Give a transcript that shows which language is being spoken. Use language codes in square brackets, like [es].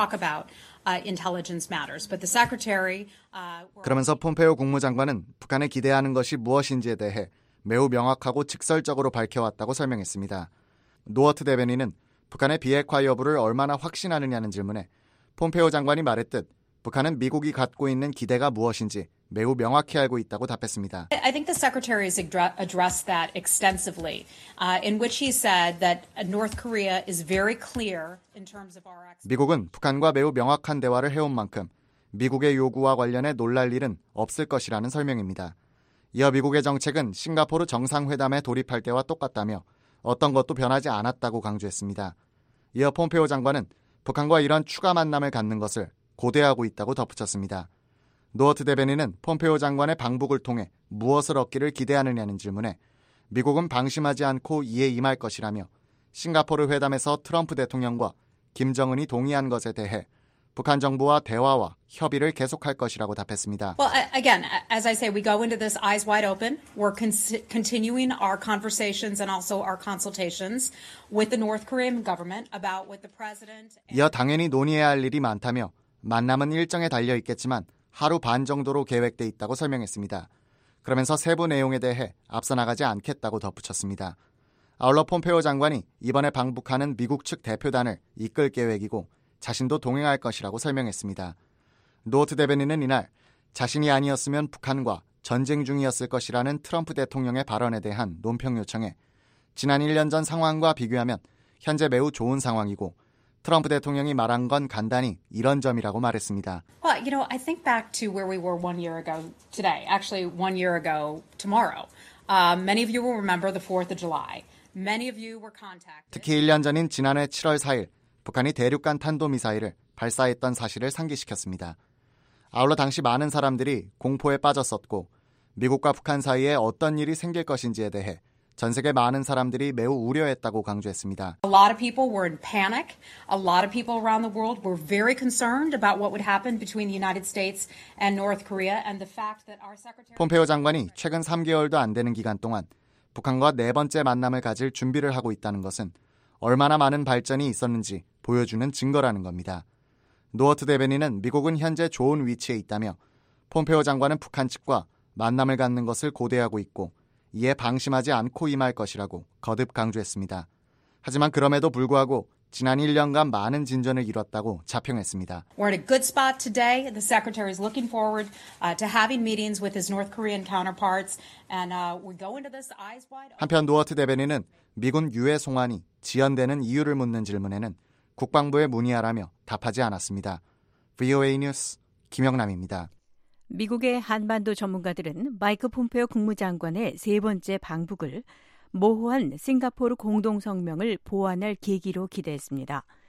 [en] I'm not going to get into any intelligence matters. That's not what we do at the State Department. We don't talk about intelligence matters. But the secretary. [ko] 그러면서 폼페오 국무장관은 북한에 기대하는 것이 무엇인지에 대해 매우 명확하고 직설적으로 밝혀왔다고 설명했습니다. 노어트 대변인은 북한의 비핵화 여부를 얼마나 확신하느냐는 질문에 폼페오 장관이 말했듯 북한은 미국이 갖고 있는 기대가 무엇인지 매우 명확히 알고 있다고 답했습니다. [en] I think the secretary has addressed that extensively, in which he said that North Korea is very clear in terms of our. [ko] 미국은 북한과 매우 명확한 대화를 해온 만큼 미국의 요구와 관련해 놀랄 일은 없을 것이라는 설명입니다. 이어 미국의 정책은 싱가포르 정상회담에 돌입할 때와 똑같다며 어떤 것도 변하지 않았다고 강조했습니다. 이어 폼페오 장관은 북한과 이런 추가 만남을 갖는 것을 고대하고 있다고 덧붙였습니다. 노어트 대변인은 폼페오 장관의 방북을 통해 무엇을 얻기를 기대하느냐는 질문에 미국은 방심하지 않고 이에 임할 것이라며 싱가포르 회담에서 트럼프 대통령과 김정은이 동의한 것에 대해 북한 정부와 대화와 협의를 계속할 것이라고 답했습니다. [en] Well, again, as I say, we go into this eyes wide open. We're continuing our conversations and also our consultations with the North Korean government about what the president. [ko] 이어 당연히 논의해야 할 일이 많다며 만남은 일정에 달려 있겠지만 하루 반 정도로 계획돼 있다고 설명했습니다. 그러면서 세부 내용에 대해 앞서 나가지 않겠다고 덧붙였습니다. 아울러 폼페오 장관이 이번에 방북하는 미국 측 대표단을 이끌 계획이고 자신도 동행할 것이라고 설명했습니다. 노어트 대변인은 이날 자신이 아니었으면 북한과 전쟁 중이었을 것이라는 트럼프 대통령의 발언에 대한 논평 요청에 지난 1년 전 상황과 비교하면 현재 매우 좋은 상황이고 트럼프 대통령이 말한 건 간단히 이런 점이라고 말했습니다. [en] Well, you know, I think back to where we were 1 year ago today. Actually, 1 year ago tomorrow. Many of you will remember the 4th of July. Many of you were contacted. [ko] 특히 1년 전인 지난해 7월 4일 북한이 대륙간 탄도미사일을 발사했던 사실을 상기시켰습니다. 아울러 당시 많은 사람들이 공포에 빠졌었고 미국과 북한 사이에 어떤 일이 생길 것인지에 대해 전 세계 많은 사람들이 매우 우려했다고 강조했습니다. [en] A lot of people were in panic. A lot of people around the world were very concerned about what would happen between the United States and North Korea and the fact that our secretary [ko] 폼페오 장관이 최근 3개월도 안 되는 기간 동안 북한과 네 번째 만남을 가질 준비를 하고 있다는 것은 얼마나 많은 발전이 있었는지 보여주는 증거라는 겁니다. 노어트 대변인은 미국은 현재 좋은 위치에 있다며 폼페오 장관은 북한 측과 만남을 갖는 것을 고대하고 있고 이에 방심하지 않고 임할 것이라고 거듭 강조했습니다. 하지만 그럼에도 불구하고 지난 1년간 많은 진전을 이뤘다고 자평했습니다. [en] We're in a good spot today. The secretary is looking forward to having meetings with his North Korean counterparts and we go into this eyes wide. [ko] 한편 노어트 대변인은 미군 유해 송환이 지연되는 이유를 묻는 질문에는 국방부에 문의하라며 답하지 않았습니다. VOA 뉴스 김영남입니다. 미국의 한반도 전문가들은 마이크 폼페오 국무장관의 세 번째 방북을 모호한 싱가포르 공동성명을 보완할 계기로 기대했습니다.